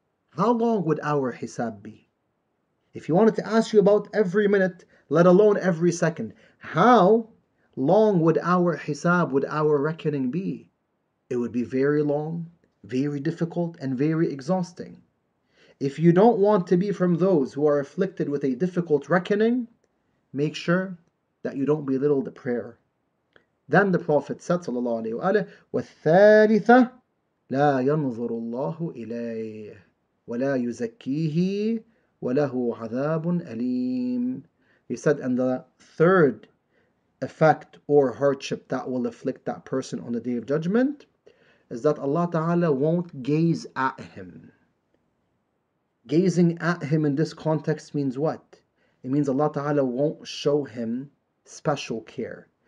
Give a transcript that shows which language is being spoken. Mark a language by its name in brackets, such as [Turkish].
[English] How long would our hisab be? If he wanted to ask you about every minute, let alone every second, how long would our hisab, would our reckoning be? It would be very long, very difficult, and very exhausting. If you don't want to be from those who are afflicted with a difficult reckoning, make sure that you don't belittle the prayer. Then the Prophet said, [Arabic] sallallahu alayhi wa alayhi, وَالثَّالِثَ لَا يَنْظُرُ اللَّهُ إِلَيْهِ وَلَا يُزَكِّيهِ وَلَهُ عَذَابٌ أَلِيمٌ. [English] He said, and the third effect or hardship that will afflict that person on the Day of Judgment is that Allah Ta'ala won't gaze at him. Gazing at him in this context means what? It means Allah Ta'ala won't show him special care.